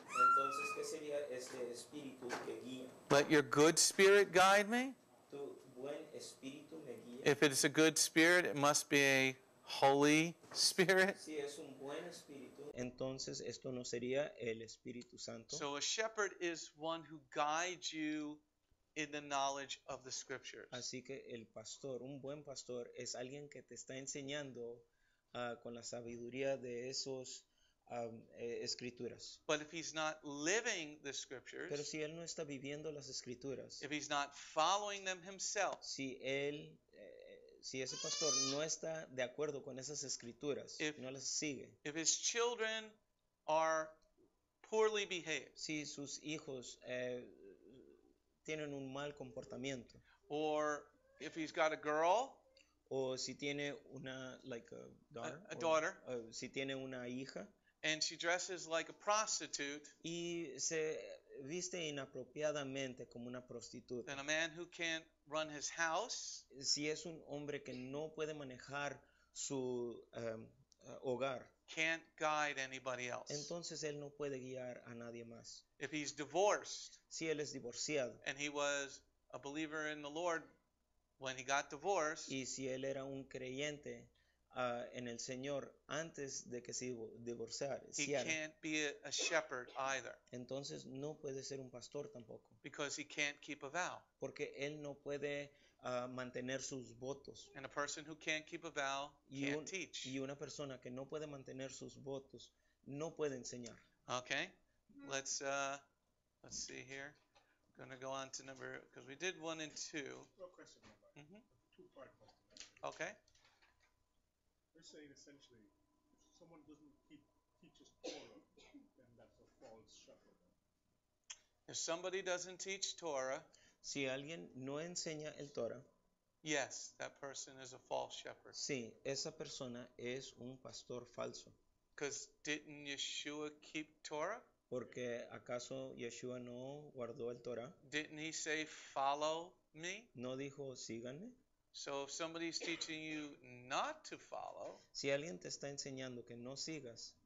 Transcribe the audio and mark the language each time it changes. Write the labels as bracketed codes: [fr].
[es] Entonces, ¿qué sería este Espíritu que guía? [en] Let your good spirit guide me? [es] Tu buen espíritu me guía. [en] If it is a good spirit, it must be a Holy Spirit. [es] Si es un buen espíritu, entonces esto no sería el Espíritu Santo. [en] So a shepherd is one who guides you in the knowledge of the scriptures. [es] Así que el pastor, un buen pastor, es alguien que te está enseñando con la sabiduría de esos escrituras. [en] But if he's not living the scriptures, [es] pero si él no está viviendo las escrituras, [en] if he's not following them himself, [es] si él si ese pastor no está de acuerdo con esas escrituras, [en] if, [es] no las sigue. [en] If his children are poorly behaved, [es] si sus hijos tienen un mal comportamiento, [en] or if he's got a girl, [es] o si tiene una [en] like a daughter, a daughter, [es] si tiene una hija, [en] and she dresses like a prostitute, [es] y se viste inapropiadamente como una prostituta, [en] then a man who can't run his house, [es] si es un hombre que no puede manejar su hogar, [en] can't guide anybody else. [es] Entonces él no puede guiar a nadie más. [en] If he's divorced, [es] si él es divorciado, [en] and he was a believer in the Lord when he got divorced, [es] y si él era un creyente en el Señor antes de que se divorciara, [en] he can't be a shepherd either. [es] Entonces no puede ser un pastor tampoco. [en] Because he can't keep a vow. [es] Porque él no puede mantener sus votos. [en] And a person who can't keep a vow can't teach. [es] Y una persona que no puede mantener sus votos no puede enseñar. [en] Okay, let's see here. I'm gonna go on to number because we did one and two. Real question. Two-part question. Okay. You're saying essentially, if someone doesn't teach us Torah, then that's a false shepherd. If somebody doesn't teach Torah, [es] si alguien no enseña el Torah, [en] yes, that person is a false shepherd. [es] Sí, esa persona es un pastor falso. [en] Because didn't Yeshua keep Torah? [es] Porque acaso Yeshua no guardó el Torah? [en] Didn't he say, follow me? [es] No dijo, síganme. [en] So if somebody's teaching you not to follow, [es] si alguien te está enseñando que no sigas,